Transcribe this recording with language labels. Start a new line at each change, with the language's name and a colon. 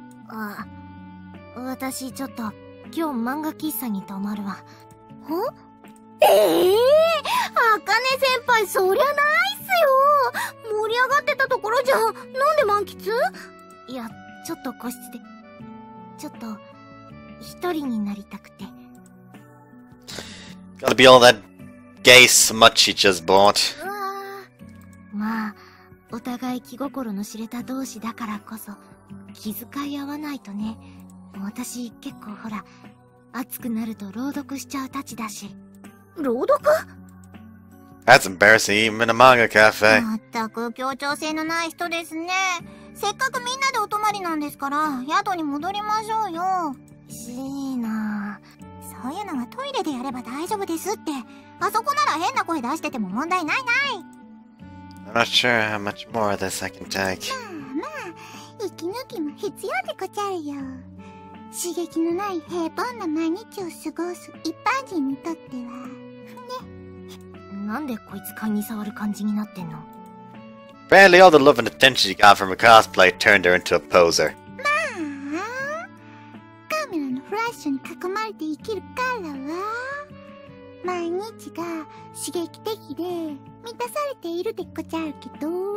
Japanese: あ、私ちょっと今日漫画喫茶に泊まるわ。ほん？ええー、茜先輩、そりゃないっすよ。盛り上がってたところじゃ、なんで満喫？いや、ちょっと個室で、ちょっと一人になりたくて。
English: Gotta be all that gay smut she just bought.
Japanese: まあ、お互い気心の知れた同士だからこそ気遣い合わないとね。私結構ほら、熱くなると朗読しちゃうたちだし。朗読？
English: That's embarrassing, even in a manga cafe.
Japanese: まったく協調性のない人ですね。せっかくみんなでお泊まりなんですから、宿に戻りましょうよ。しーな。そういうのはトイレでやれば大丈夫ですって。あそこなら変な声出してても問題ないない。
English: I'm not sure how much more of this I can take.
Japanese: まあまあ、息抜きも必要でこちゃるよ。刺激のない平凡な毎日を過ごす一般人にとってはね。なんでこいつ勘に触る感じになってんの。
English: Apparently all the love and attention she got from her cosplay turned her into a poser.
Japanese: まあ、カメラのフラッシュに囲まれて生きるからは、毎日が刺激的で満たされているでこちゃるけど。